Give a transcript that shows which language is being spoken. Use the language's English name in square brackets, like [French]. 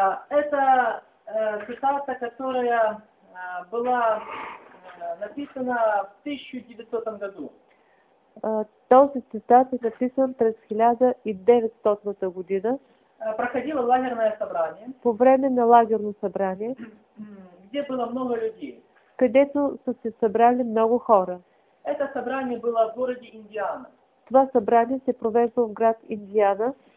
[Russian] Это цитата, которая была написана в 1900 году. [Bulgarian] Този цитат е записан през 1900 година. [Russian] Проходило лагерное собрание. [Bulgarian] По време на лагерно събрание. [Russian] Где было много людей. [Bulgarian] Където са се събрали много хора. [Russian] Это собрание было в городе Индиана. [Bulgarian] Това събрание се провежда в град Индиана.